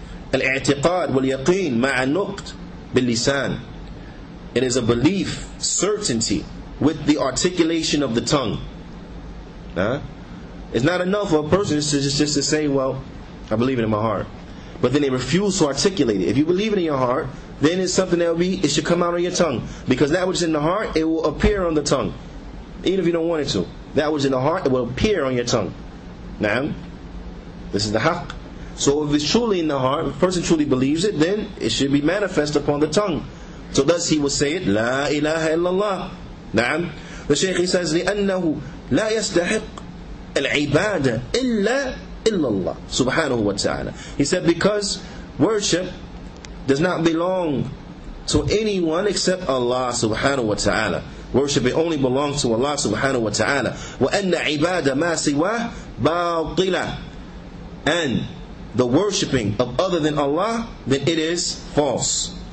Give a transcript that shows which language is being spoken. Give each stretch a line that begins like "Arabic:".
Arabic: الاعتقاد واليقين مع النقد باللسان.
English: It is a belief, certainty, with the articulation of the tongue. Huh? It's not enough for a person just to say, well, I believe it in my heart, but then they refuse to articulate it. If you believe it in your heart, then it's something that will be, it should come out on your tongue. Because that which is in the heart, it will appear on the tongue. Even if you don't want it to. That which is in the heart, it will appear on your tongue. Naam? This is the haqq. So if it's truly in the heart, if a person truly believes it, then it should be manifest upon the tongue. So thus he will say it, La ilaha illallah. نعم. The Shaykh, he says,
Arabic: لأنه لا يستحق العبادة إلا الله سبحانه وتعالى.
English: He said, because worship does not belong to anyone except Allah subhanahu wa ta'ala. Worship, it only belongs to Allah subhanahu wa ta'ala.
Arabic: وأن عبادة ما سواه باطلة.
English: And the worshipping of other than Allah, then it is false.